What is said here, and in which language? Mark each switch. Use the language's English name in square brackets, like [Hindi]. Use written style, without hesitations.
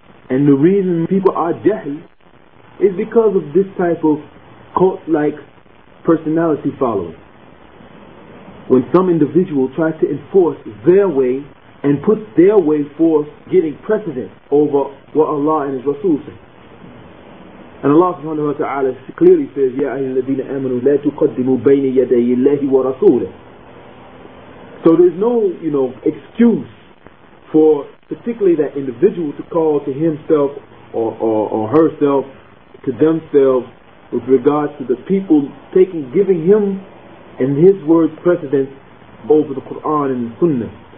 [English] And the reason people are jahil is because of this type of cult-like personality following. When some individual tries to enforce their way and put their way forth getting precedence over what Allah and His Rasul say. And Allah subhanahu wa ta'ala clearly says, [Arabic] يَا أَيُّهَا الَّذِينَ آمَنُوا لَا تُقَدِّمُوا بَيْنِ يَدَيِّ اللَّهِ وَرَسُولِهِ. [English] So there's no, excuse for particularly that individual to call to himself or herself, to themselves, with regard to the people giving him and his words precedence over the Quran and the Sunnah.